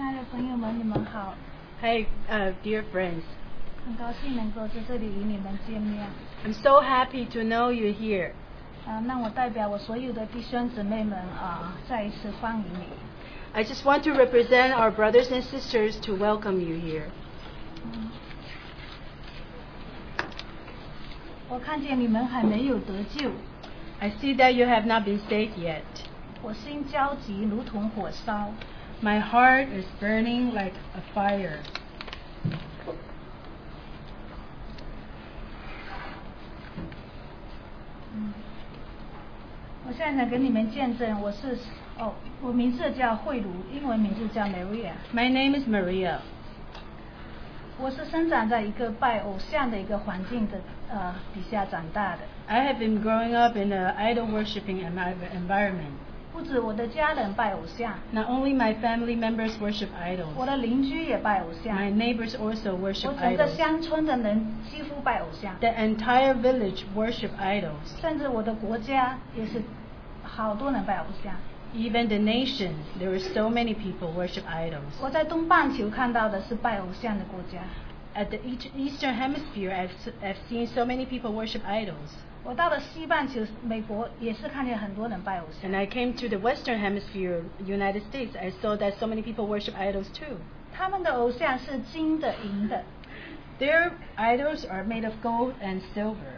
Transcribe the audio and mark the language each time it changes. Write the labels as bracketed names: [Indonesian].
[Chinese] 朋友们，你们好。 [English] Hey, dear friends. [Chinese] 很高兴能够在这里与你们见面。 [English] I'm so happy to know you here. [Chinese] 那我代表我所有的弟兄姊妹们啊，再一次欢迎你。 [English] I just want to represent our brothers and sisters to welcome you here. [Chinese] 我看见你们还没有得救。 [English] I see that you have not been saved yet. [Chinese] 我心焦急，如同火烧。 [English] My heart is burning like a fire. [Chinese] 我现在跟你们见证，我是哦，我名字叫慧茹，英文名字叫 Maria. [English] My name is Maria. [Chinese] 我是生长在一个拜偶像的一个环境的底下长大的。 [English] I have been growing up in an idol worshipping environment. [Chinese] 不止我的家人拜偶像 [English] Not only my family members worship idols [Chinese] 我的邻居也拜偶像 [English] My neighbors also worship idols [Chinese] 我整个乡村的人几乎拜偶像 [English] The entire village worship idols [Chinese] 甚至我的国家也是好多人拜偶像 [English] Even the nation, there are so many people worship idols [Chinese] 我在东半球看到的是拜偶像的国家 [English] At the eastern hemisphere, I've seen so many people worship idols [Chinese] 我到了西半球，美国也是看见很多人拜偶像。 [English] And I came to the Western Hemisphere, United States. I saw that so many people worship idols too. [Chinese] 他们的偶像是金的、银的。 [English] Their idols are made of gold and silver.